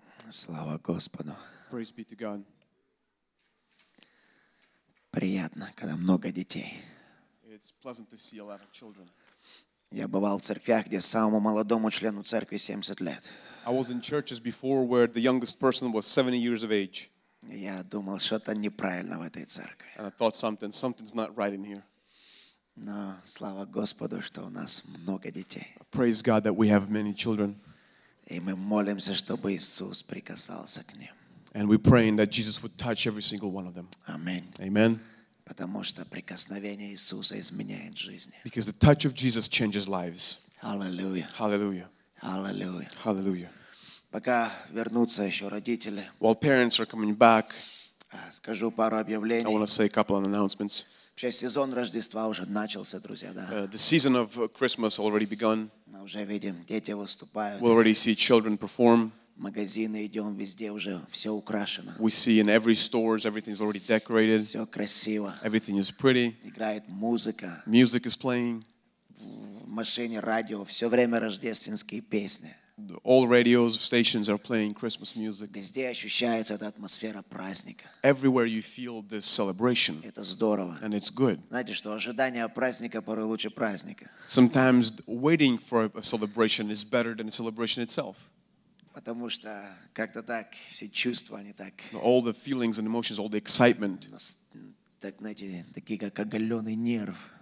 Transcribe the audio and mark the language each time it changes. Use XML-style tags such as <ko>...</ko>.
<ru>Слава Господу.</ru> <en>Praise be to God.</en> <ru>Приятно, когда много детей.</ru> <en>It's pleasant to see a lot of children.</en> <ru>Я бывал в церквях, где самому молодому члену церкви 70 лет.</ru> <en>I was in churches before where the youngest person was 70 years of age.</en> <ru>Я думал, что-то неправильно в этой церкви.</ru> <en>And I thought something's not right in here.</en> <ru>Но слава Господу, что у нас много детей.</ru> <en>Praise God that we have many children.</en> <ru>И мы молимся, чтобы Иисус прикасался к ним.</ru> <en>And we're praying that Jesus would touch every single one of them. Amen. Amen.</en> <ru>Потому что прикосновение Иисуса изменяет жизни.</ru> <en>Because the touch of Jesus changes lives. Hallelujah. Hallelujah. Hallelujah. Hallelujah.</en> <ru>Пока вернутся еще родители.</ru> <en>While parents are coming back.</en> <ru>Скажу пару объявлений.</ru> <en>I want to say a couple of announcements.</en> <ru>Вообще сезон Рождества уже начался, друзья, да.</ru> <en>The season of Christmas already begun.</en> <ru>Мы уже видим, дети выступают.</ru> <en>We already see children perform.</en> <ru>Магазины идем везде уже все украшено.</ru> <en>We see in every stores everything's already decorated.</en> <ru>Все красиво.</ru> <en>Everything is pretty.</en> <ru>Играет музыка.</ru> <en>Music is playing.</en> <ru>В машине радио все время рождественские песни.</ru> <en>All radios stations are playing Christmas music.</en> <ru>Везде ощущается эта атмосфера праздника.</ru> <en>Everywhere you feel this celebration.</en> <ru>Это здорово.</ru> <en>And it's good.</en> <ru>Знаете, что ожидание праздника порой лучше праздника.</ru> <en>Sometimes waiting for a celebration is better than the celebration itself.</en> <ru>Потому что как-то так все чувства не так.</ru> <en>All the feelings and emotions, all the excitement.</en> <ru>Так, знаете, такие как оголенный нерв.</ru>